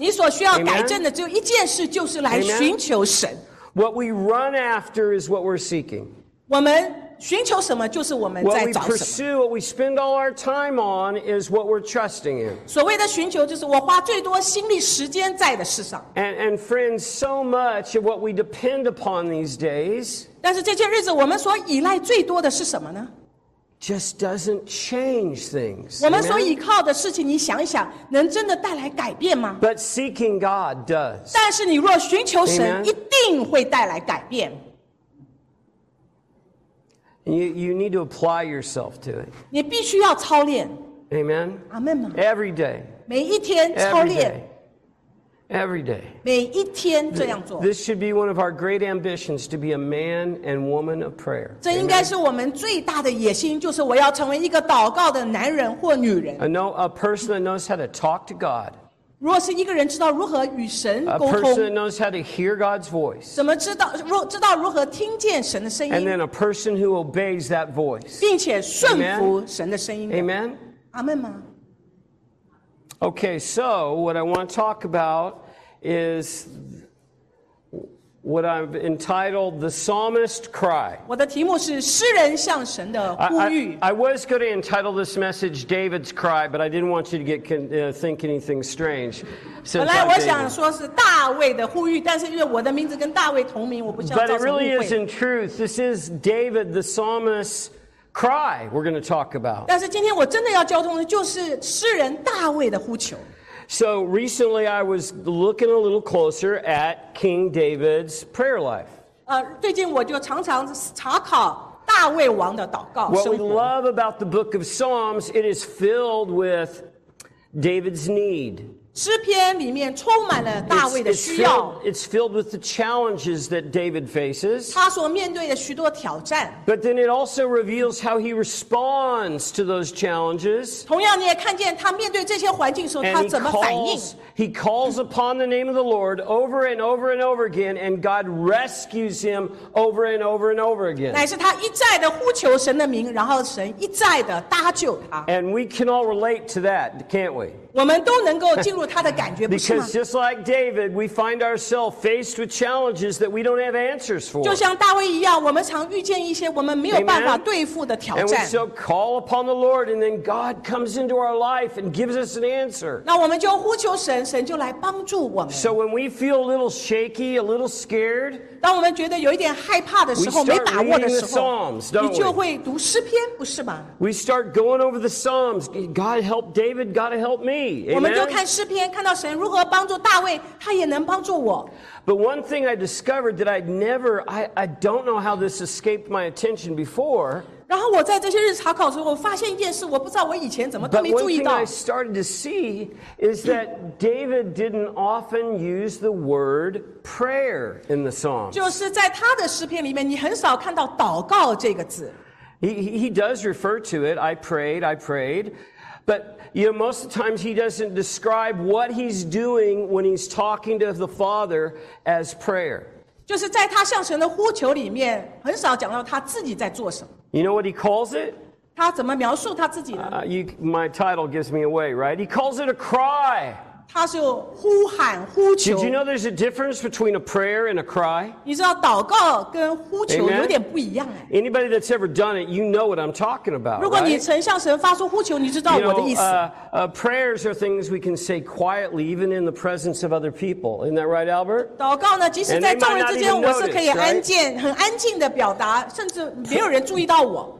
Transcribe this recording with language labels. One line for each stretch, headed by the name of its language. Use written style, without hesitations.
Chinese: 你所需要改正的只有一件事就是来寻求神。
English: What we run after is what we're seeking.
Chinese: 我们寻求什么就是我们在找什么。
English: What we pursue, what we spend all our time on is what we're trusting in.
Chinese: 所谓的寻求就是我花最多心力时间在的事上。
English: And friends, so much of what we depend upon these days
Chinese: 但是这些日子我们所依赖最多的是什么呢
English: Just doesn't change things.
Chinese: 我们所依靠的事情，你想一想，能真的带来改变吗
English: ？But seeking God does.
Chinese: 但是你若寻求神，一定会带来改变。
English: You need to apply yourself to it.
Chinese: 你必须要操练。
English: Amen.
Chinese: 阿门吗
English: ？Every day.
Chinese: 每一天操练。
English: Every day.
Chinese: 每一天这样做。
English: This should be one of our great ambitions to be a man and woman of prayer.
Chinese: 这应该是我们最大的野心，就是我要成为一个祷告的男人或女人。
English: A person that knows how to talk to God.
Chinese: 如果是一个人知道如何与神沟通。
English: A person that knows how to hear God's voice.
Chinese: 怎么知道如何听见神的声音。
English: And then a person who obeys that voice.
Chinese: 并且顺服神的声音。
English: Amen.
Chinese: 阿门吗？
English: Okay, so what I want to talk about is what I've entitled the Psalmist Cry.
Chinese: 我的题目是诗人向神的呼吁。
English: I was going to entitle this message David's Cry, but I didn't want you to get think anything strange.
Chinese: 本来我想说是大卫的呼吁，但是因为我的名字跟大卫同名，我不想造成误会。
English: But it really is in truth. This is David, the Psalmist. Cry, we're going to talk about.
Chinese: 但是今天我真的要交通的就是诗人大卫的呼求。
English: So recently, I was looking a little closer at King David's prayer life.
Chinese: 最近我就常常查考大卫王的祷告生活。
English: What we love about the Book of Psalms, it is filled with David's need.
Chinese: 诗篇里面充满了大卫的需要。
English: It's filled with the challenges that David faces.
Chinese: 他所面对的许多挑战。
English: But then it also reveals how he responds to those challenges.
Chinese: 同样，你也看见他面对这些环境的时候，他怎么反应。
English: He calls upon the name of the Lord over and over and over again, and God rescues him over and over and over again.
Chinese: 乃是他一再的呼求神的名，然后神一再的搭救他。
English: And we can all relate to that, can't we?
Chinese: 我们都能够进入他的感觉，不是吗？
English: Because just like David, we find ourselves faced with challenges that we don't have answers for.
Chinese: 就像大卫一样，我们常遇见一些我们没有办法对付的挑战。
English: And we so call upon the Lord, and then God comes into our life and gives us an answer.
Chinese: 那我们就呼求神。神就来帮助我们。
English: So when we feel a little shaky, a little scared,
Chinese: 当我们觉得有一点害怕的时候，没把握的时候，你就会读诗篇，不是吗？
English: We start going over the Psalms. God help David. God help me.
Chinese: 我们就看诗篇，看到神如何帮助大卫，他也能帮助我。
English: But one thing I discovered that I'd never, I don't know how this escaped my attention before.
Chinese: 然后我在这些日查考的时候，我发现一件事，我不知道我以前怎么都没注意到。
English: But one thing I started to see is that David didn't often use the word prayer in the Psalms.
Chinese: 就是在他的诗篇里面，你很少看到祷告这个字。
English: He does refer to it. I prayed, but. You know, most of the times he doesn't describe what he's doing when he's talking to the Father as prayer.
Chinese: 就是在他向神的呼求里面，很少讲到他自己在做什么。
English: You know what he calls it?
Chinese: 他怎么描述他自己呢？
English: My title gives me away, right? He calls it a cry.
Chinese: 他是呼喊呼求。
English: Did you know there's a difference between a prayer and a cry?
Chinese: 你知道祷告跟呼求有点不一样。
English: Amen? Anybody that's ever done it, you know what I'm talking about, right?
Chinese: 如果你曾向神发出呼求，你知道我的意思。
English: Prayers are things we can say quietly, even in the presence of other people. Isn't that right, Albert?
Chinese: 祷告呢，即使在众人之间，我是可以安静、很安静的表达，甚至没有人注意到我。